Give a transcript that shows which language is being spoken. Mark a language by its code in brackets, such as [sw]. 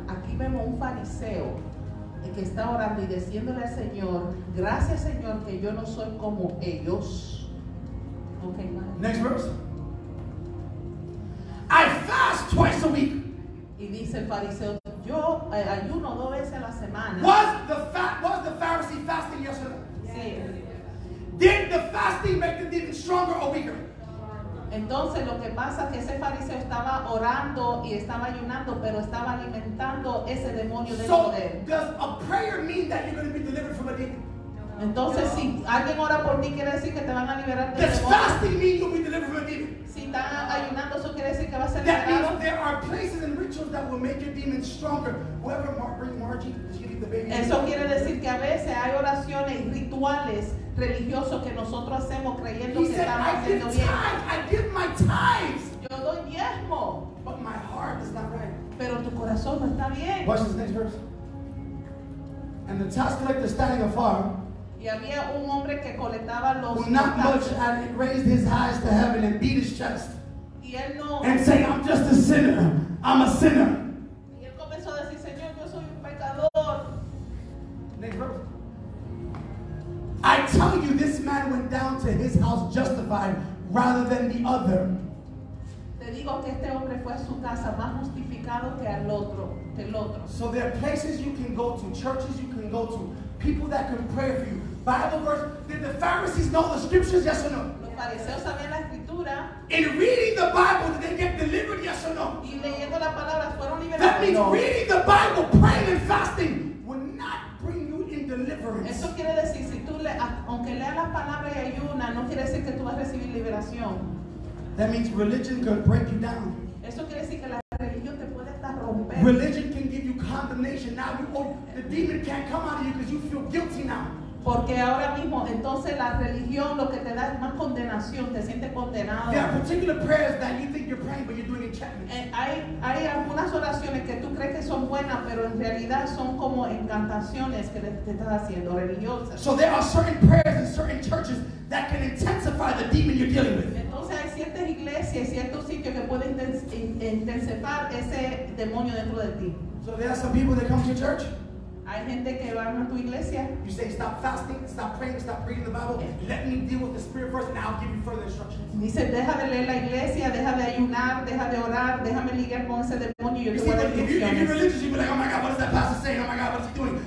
[es] Aquí vemos un fariseo que está orando y diciéndole al Señor, gracias Señor que yo no soy como ellos. [en] Okay, next verse. I fast twice a week. [es] Y dice el fariseo, yo ayuno dos veces a la semana. [en] Was the Pharisee fasting yesterday? Yes. Did the fasting make the demon stronger or weaker? [es] Entonces lo que pasa es que ese fariseo estaba orando y estaba ayunando, pero estaba alimentando ese demonio del poder. [en] So, does a prayer mean that you're going to be delivered from a demon? [es] Entonces, si alguien ora por ti, quiere decir que te van a liberar del demonio. [en] Does fasting mean you'll be delivered from a demon? [es] Si están ayunando, eso quiere decir que va a ser liberado. [en] That means there are places and rituals that will make your demons stronger. Whoever bring Margie, she give the baby. [es] Eso quiere decir que a veces hay oraciones y rituales religiosos que nosotros hacemos creyendo que estamos haciendo bien. [en] He said, I give my tithes. [es] Yo doy diezmo. [en] But my heart is not right. [es] Pero tu corazón no está bien. [en] Watch this next verse. And the tax collector standing afar. [es] Y había un hombre que colectaba los [en] who not much had raised his eyes to heaven and beat his chest [es] y él no, [en] and say, I'm just a sinner. I'm a sinner. [es] Y él comenzó a decir, Señor, yo soy un pecador. [en] I tell you, this man went down to his house justified rather than the other. [es] Te digo que este hombre fue a su casa más justificado que al otro. [en] So there are places you can go to, churches you can go to, people that can pray for you. Bible verse, did the Pharisees know the scriptures, yes or no? [es] Los fariseos sabían la escritura. [en] In reading the Bible, did they get delivered, yes or no? [es] Y leyendo la palabra, fueron liberados. [en] That means reading the Bible, praying and fasting will not bring you in deliverance. [es] Eso quiere decir, si tú le, aunque leas la palabra y ayuna, no quiere decir que tú vas a recibir liberación. [en] That means religion can break you down. [es] Eso quiere decir que la religión te puede hasta romper. [en] Religion can give you condemnation. Now you, oh, the demon can't come out of you because you feel guilty now. [es] Porque ahora mismo, entonces la religión lo que te da es más condenación, te sientes condenado. [en] There are particular prayers that you think you're praying, but you're doing enchantments. [es] Hay algunas oraciones que tú crees que son buenas, pero en realidad son como encantaciones que te estás haciendo religiosas. [en] So there are certain prayers in certain churches that can intensify the demon you're dealing with. [es] Entonces hay ciertas iglesias, ciertos sitios que pueden intensificar ese demonio dentro de ti. [en] So there are some people that come to church. [es] Hay gente que va a tu iglesia. [en] You say, stop fasting, stop praying, stop reading the Bible. Yeah. Let me deal with the spirit first, and I'll give you further instructions. [es] Dice, deja de leer la iglesia, deja de ayunar, deja de orar, déjame lidiar con ese demonio. [en] You see, if you're religious, you'd be like, oh my God, what is that pastor saying? Oh my God, what is he doing?